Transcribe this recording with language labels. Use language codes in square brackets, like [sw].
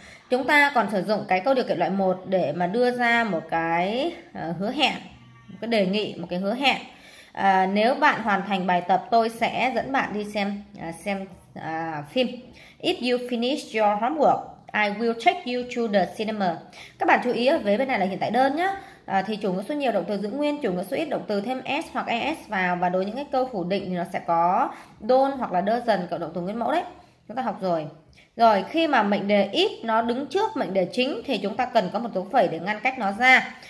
[vi] Chúng ta còn sử dụng cái câu điều kiện loại 1 để mà đưa ra một cái hứa hẹn, một cái đề nghị, một cái hứa hẹn. Nếu bạn hoàn thành bài tập tôi sẽ dẫn bạn đi xem phim. [en] If you finish your homework, I will take you to the cinema. [vi] Các bạn chú ý về bên này là hiện tại đơn nhé. Thì chủ ngữ số nhiều động từ giữ nguyên, chủ ngữ số ít động từ thêm s hoặc es vào, và đối những cái câu phủ định thì nó sẽ có don't hoặc là doesn't cộng động từ nguyên mẫu đấy. Chúng ta học rồi. Rồi khi mà mệnh đề if nó đứng trước mệnh đề chính thì chúng ta cần có một dấu phẩy để ngăn cách nó ra.